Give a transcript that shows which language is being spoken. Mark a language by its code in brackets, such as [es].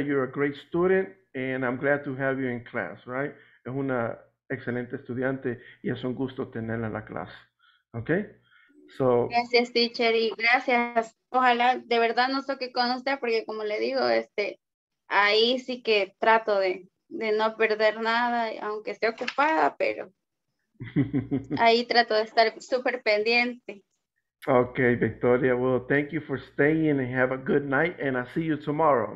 [en] You're a great student and I'm glad to have you in class, right? [es] Es una excelente estudiante y es un gusto tenerla en la clase. [en] Okay? So, [es] gracias, teacher, y gracias. Ojalá de verdad no toque con usted, porque como le digo, ahí sí que trato de no perder nada, aunque esté ocupada, pero ahí trato de estar súper pendiente. [en] Okay, Victoria, well, thank you for staying and have a good night, and I'll see you tomorrow.